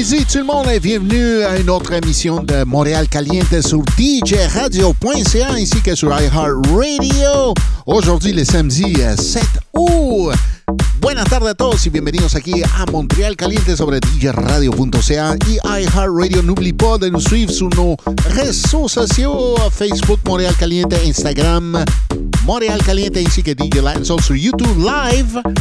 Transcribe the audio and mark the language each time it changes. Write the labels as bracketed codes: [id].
[fr] Tout le monde est bienvenu à une autre émission de Montréal Caliente sur DJRadio.ca ainsi que sur iHeartRadio. Aujourd'hui, le samedi 7 août. [es] Buenas tardes a todos y bienvenidos aquí a Montreal Caliente sobre DJRadio.ca y iHeartRadio. [fr] N'oublie pas de nous suivre sur nos réseaux sociaux, Facebook Montréal Caliente, Instagram Montréal Caliente ainsi que DJ Latin Soul sur YouTube Live.